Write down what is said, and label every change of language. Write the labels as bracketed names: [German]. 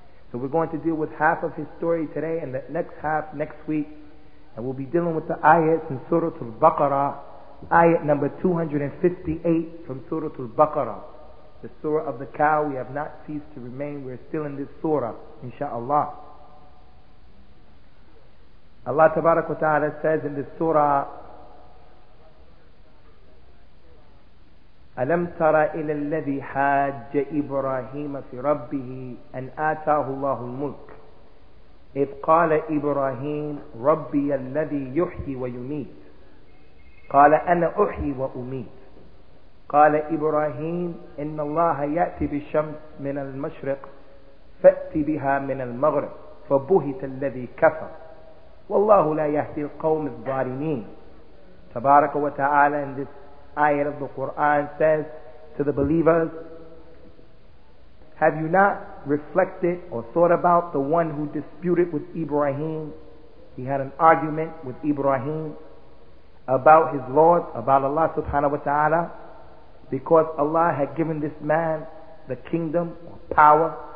[English] So we're going to deal with half of his story today and the next half next week. And we'll be dealing with the ayahs in Surah Al-Baqarah, ayah number 258 from Surah Al-Baqarah, the Surah of the Cow. We have not ceased to remain. We're still in this surah, inshaAllah. Allah tabarak wa ta'ala says in this surah, [Arabic] أَلَمْ تَرَ إِلَى الَّذِي حَاجَّ إِبْرَاهِيمَ فِي رَبِّهِ أَنْ آتَاهُ اللَّهُ الْمُلْكِ إِذْ قَالَ إِبْرَاهِيمُ رَبِّيَ الَّذِي يُحْيِي وَيُمِيتُ قَالَ أَنَا أُحْيِي وَأُمِيتُ قَالَ إِبْرَاهِيمُ إِنَّ اللَّهَ يَأْتِي بِالشَّمْسِ مِنَ الْمَشْرِقِ فَأْتِ بِهَا مِنَ الْمَغْرِبِ فَبُهِتَ الَّذِي كَفَرَ وَاللَّهُ لَا يَهْدِي الْقَوْمَ الظَّالِمِينَ. تبارك وتعالى [English] in this ayat of the Quran says to the believers, have you not reflected or thought about the one who disputed with Ibrahim? He had an argument with Ibrahim about his Lord, about Allah subhanahu wa ta'ala, because Allah had given this man the kingdom or power.